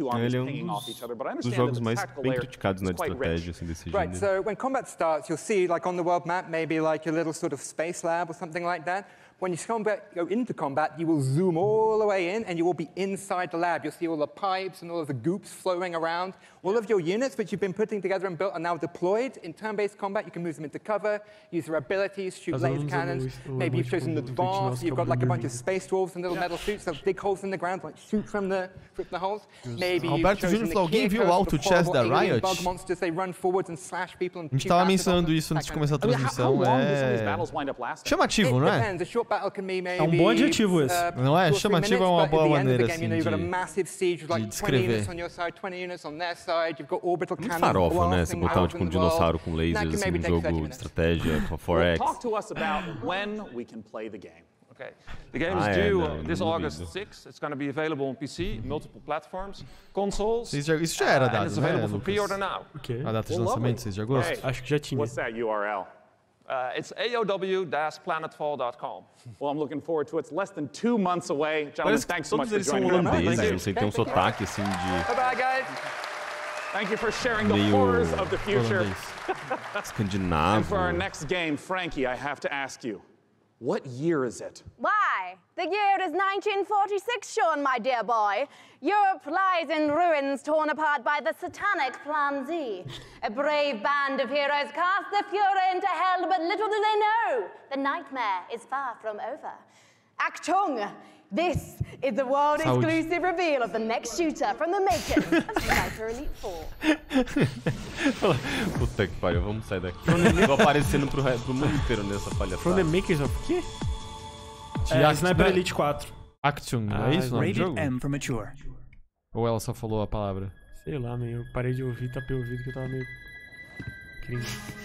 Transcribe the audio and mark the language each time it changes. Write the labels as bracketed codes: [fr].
[pt] Ele é um dos jogos mais bem criticados na estratégia assim, desse gênero. [en] Right, so when combat starts, you'll see like on the world map maybe like a little sort of space lab or something like that. When you go into combat, you will zoom all the way in and you will be inside the lab. You'll see all the pipes and all of the goops flowing around. All of your units, which you've been putting together and built, are now deployed. In turn-based combat, you can move them into cover, use their abilities, shoot laser cannons. Maybe you've chosen the dwarves. You've got like a bunch of space dwarves and little metal suits that dig holes in the ground, like shoot from the holes. Maybe you've chosen the Kiko, all to chest the Riot. Bug monsters, they run forwards and slash people. [pt] A gente tava pensando isso antes de começar a transmissão. Chamativo, não é? É um bom adjetivo esse. Não é? Chamativo é uma boa maneira assim, de descrever. Muito farofa, né? Se botar tipo, um dinossauro com lasers assim, num jogo de estratégia, com 4X. [en] Okay. The game is due this August 6th. It's going to be available on PC, multiple platforms, consoles. [pt] Isso já era dado, [en] it's available for pre-order now. [pt] A data de lançamento, 6 de agosto. Hey, acho que já tinha. [en] What's that URL? It's aow-planetfall.com. Well, I'm looking forward to it. It's less than 2 months away. Gentlemen, [pt] parece [en] thanks so much for joining us. [pt] Todos eles são holandeses, não sei, tem um sotaque assim de... [en] Bye-bye, guys. Thank you for sharing the horrors of the future. [pt] Escandinavo. [en] And for our next game, Frankie, I have to ask you. What year is it? Why? The year is 1946, Sean, my dear boy. Europe lies in ruins torn apart by the satanic Plan Z. A brave band of heroes cast the Führer into hell, but little do they know, the nightmare is far from over. Achtung! This is the world exclusive reveal of the next shooter from the makers of Sniper Elite 4. [pt] Puta que pariu, vamos sair daqui. Eu vou aparecendo pro mundo inteiro nessa palhaçada. [en] From the makers of quê? Sniper Elite 4. [pt] Achtung, é isso o nome do jogo? [en] M for mature. [pt] Ou ela só falou a palavra? Sei lá, meu. Eu parei de ouvir, tapei o ouvido que eu tava meio. Cringe.